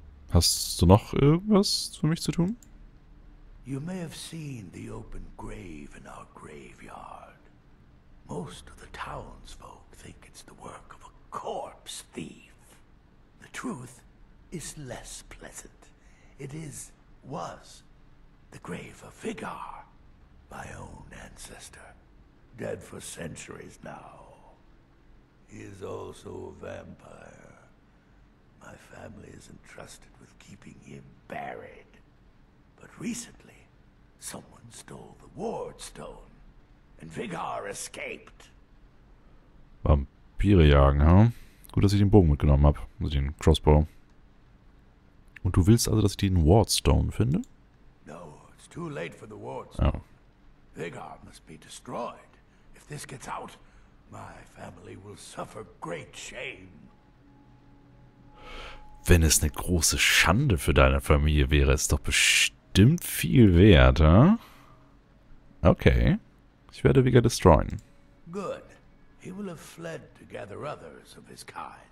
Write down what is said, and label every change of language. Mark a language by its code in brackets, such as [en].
[de] Hast du noch irgendwas für mich zu tun? [en] You may have seen the open grave in our graveyard. Most of the townsfolk think it's the work of a corpse thief. The truth is less pleasant. It was the grave of Vigar, my own ancestor, dead for centuries now. He is also a vampire. My family is entrusted with keeping him buried. But recently, someone stole the ward stone, and Vigar escaped. [de] Vampire jagen, hm? Gut, dass ich den Bogen mitgenommen habe, also den Crossbow. Und du willst also, dass ich den ward stone finde? [en] No, it's too late for the ward stone. Oh. Vigar must be destroyed. If this gets out, my family will suffer great shame. [de] Wenn es eine große Schande für deine Familie wäre, ist doch bestimmt viel wert, hä? Okay. Ich werde Vigar destroyen. [en] Good. He will have fled to gather others of his kind.